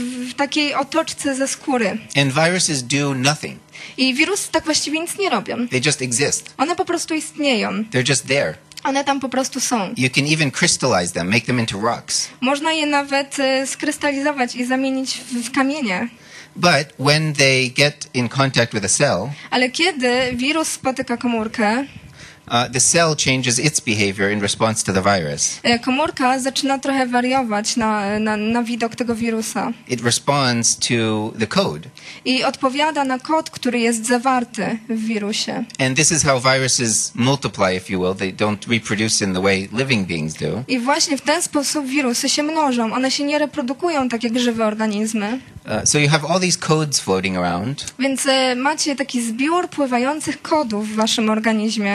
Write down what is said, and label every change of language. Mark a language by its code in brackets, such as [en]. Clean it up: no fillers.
[pl] W takiej otoczce ze skóry. [en] And viruses do nothing. [pl] I wirusy tak właściwie nic nie robią. [en] They just exist. [pl] One po prostu istnieją. [en] They're just there. [pl] One tam po prostu są. [en] You can even crystallize them, make them into rocks. [pl] Można je nawet skrystalizować i zamienić w kamienie. [en] But when they get in contact with a cell. [pl] Ale kiedy wirus spotyka komórkę. [en] The cell changes its behavior in response to the virus. [pl] Komórka zaczyna trochę wariować na widok tego wirusa. [en] It responds to the code. [pl] I odpowiada na kod, który jest zawarty w wirusie. [en] And this is how viruses multiply, if you will. They don't reproduce in the way living beings do. [pl] I właśnie w ten sposób wirusy się mnożą. One się nie reprodukują tak jak żywe organizmy. [en] So you have all these codes floating around. [pl] Więc macie taki zbiór pływających kodów w waszym organizmie.